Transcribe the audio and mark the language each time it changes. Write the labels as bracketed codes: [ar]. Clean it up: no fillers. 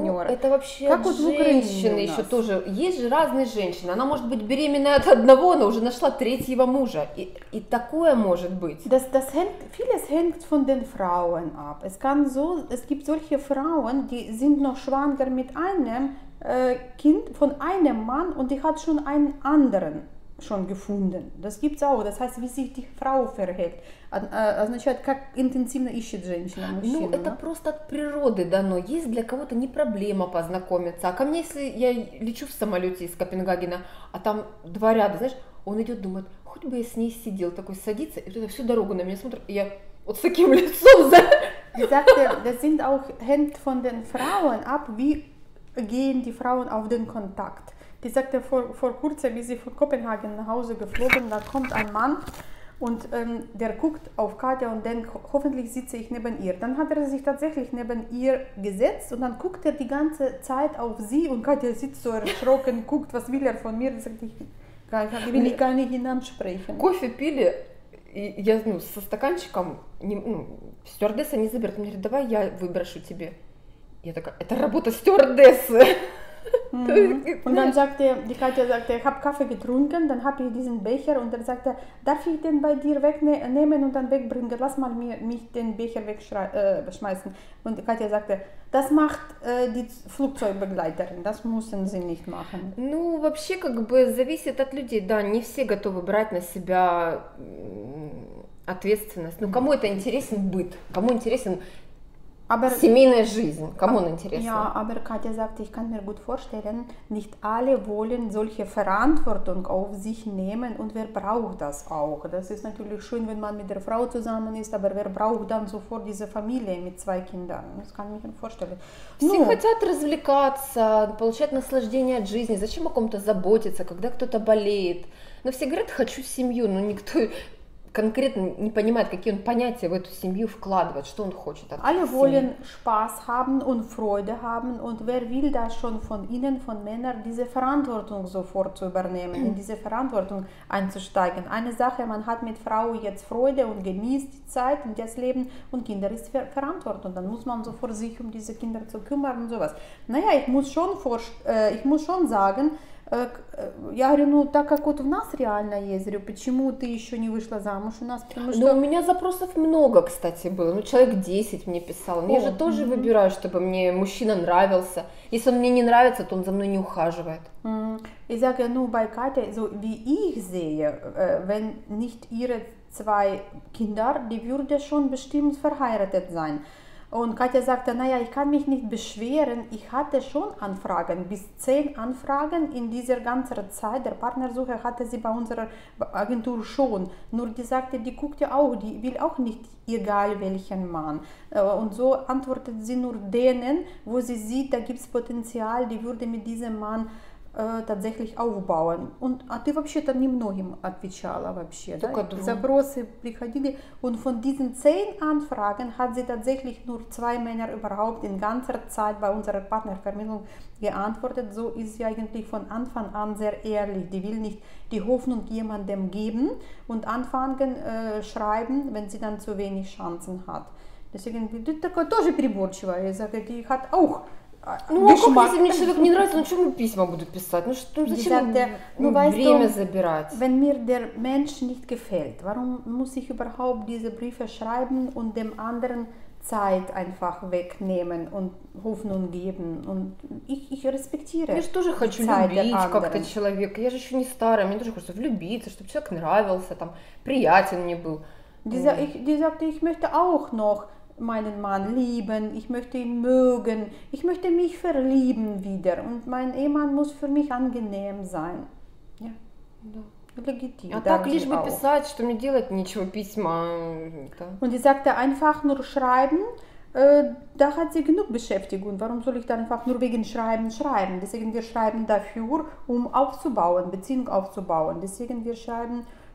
[ru] Ну, это вообще как вот женщины еще тоже. Есть же разные женщины. Она может быть беременна от одного, но уже нашла третьего мужа. И такое может быть. [de] Das hängt, vieles hängt von den Frauen ab. Es kann so, es gibt solche Frauen, die sind noch schwanger mit einem Kind von einem Mann und die hat schon einen anderen schon gefunden. Das gibt's auch. Das heißt, wie sich die Frau verhält. [ru] Also, как интенсивно ищет женщина мужчину. Ну, это просто от природы дано. Есть для кого-то не проблема познакомиться. А ко мне, если я лечу в самолете из Копенгагена, а там два ряда, знаешь, он идет, думает, хоть бы я с ней сидел, такой садится, и вот это всю дорогу на меня смотрит, и я вот с таким лицом. [de] Ich sagte, das sind auch hängt von den Frauen ab, wie gehen die Frauen auf den Kontakt. Die sagte vor kurzem, wie sie von Kopenhagen nach Hause geflogen, da kommt ein Mann und der guckt auf Katja und denkt, hoffentlich sitze ich neben ihr. Dann hat er sich tatsächlich neben ihr gesetzt und dann guckt er die ganze Zeit auf sie und Katja sitzt so erschrocken, guckt, was will er von mir? Die sagt, ich will gar nicht ihn ansprechen. [ru] Kaffee pili. Я, ну, со стаканчиком, не, ну, стюардесса не заберет. Он говорит, давай я выброшу тебе. Я такая, это работа стюардессы. [de] Und dann sagte die Katja, sagte, ich habe Kaffee getrunken, dann habe ich diesen Becher und er sagte, darf ich den bei dir wegnehmen und dann wegbringen? Lass mal mich den Becher wegschmeißen. Und die Katja sagte, das macht die Flugzeugbegleiterin, das müssen sie nicht machen. [ru] Ну, вообще, как бы, зависит от людей. Да, не все готовы брать на себя ответственность. Ну, кому это интересен быт? Кому интересен... Aber, семейная жизнь, кому она интересна? [de] Ja, aber Katja sagte, ich kann mir gut vorstellen, nicht alle wollen solche Verantwortung auf sich nehmen und wer braucht das auch? Das ist natürlich schön, wenn man mit der Frau zusammen ist, aber wer braucht dann sofort diese Familie mit zwei Kindern? Das kann ich mir vorstellen. [ru] Все хотят развлекаться, получать наслаждение от жизни. Зачем о ком-то заботиться, когда кто-то болеет? Но все говорят, хочу семью, но никто... [de] konkreten nicht [ru] понимает, какие он понятия в эту семью вкладывает, что он хочет. [de] Alle wollen Spaß haben und Freude haben und wer will das schon von ihnen, von Männern, diese Verantwortung sofort zu übernehmen, in diese Verantwortung einzusteigen. Eine Sache, man hat mit Frau jetzt Freude und genießt die Zeit und das Leben und Kinder ist Verantwortung. Dann muss man sofort sich um diese Kinder zu kümmern und sowas. Naja, ich muss schon sagen, [ru] я говорю, ну так как вот у нас реально есть, говорю, почему ты еще не вышла замуж у нас? Потому что... Но у меня запросов много, кстати, было. Ну человек 10 мне писал. Я же тоже выбираю, чтобы мне мужчина нравился. Если он мне не нравится, то он за мной не ухаживает. [de] Ich sage, ну bei Katja, so wie ich sehe, wenn nicht ihre zwei Kinder, die würde schon bestimmt verheiratet sein. Und Katja sagte, naja, ich kann mich nicht beschweren, ich hatte schon Anfragen, bis 10 Anfragen in dieser ganzen Zeit der Partnersuche hatte sie bei unserer Agentur schon. Nur die sagte, die guckt ja auch, die will auch nicht, egal welchen Mann. Und so antwortet sie nur denen, wo sie sieht, da gibt es Potenzial, die würde mit diesem Mann tatsächlich aufbauen. [ru] Und ты вообще-то немногим отвечала вообще, да? Запросы приходили. [de] Und von diesen 10 Anfragen hat sie tatsächlich nur 2 Männer überhaupt in ganzer Zeit bei unserer Partnervermittlung geantwortet. So ist sie eigentlich von Anfang an sehr ehrlich. Die will nicht die Hoffnung jemandem geben und anfangen schreiben, wenn sie dann zu wenig Chancen hat. [ru] Deswegen, ты такая тоже переборчивая. [de] Я sage, die hat auch... [ru] Ну, Geschmack. А как, если мне человек не нравится, ну, что ему письма буду писать? Ну, что, зачем sagte, ну, время du, забирать? [de] Wenn mir der Mensch nicht gefällt, warum muss ich überhaupt diese Briefe schreiben und dem anderen Zeit einfach wegnehmen und Hoffnung geben? Und ich respektiere [ru] Zeit. Я же тоже хочу любить как-то человека. Я же еще не старая. Мне тоже хочется влюбиться, чтобы человек нравился, там, приятен мне был. [de] Ich möchte auch noch meinen Mann lieben, ich möchte ihn mögen, ich möchte mich verlieben wieder und mein Ehemann muss für mich angenehm sein. Ja, legitim. [ru] А так лишь бы писать, что мне делать нечего, письма. [de] Und sie sagte, einfach nur schreiben, da hat sie genug Beschäftigung. Warum soll ich dann einfach nur wegen Schreiben schreiben? Deswegen wir schreiben dafür, um aufzubauen, Beziehung aufzubauen. Deswegen wir schreiben...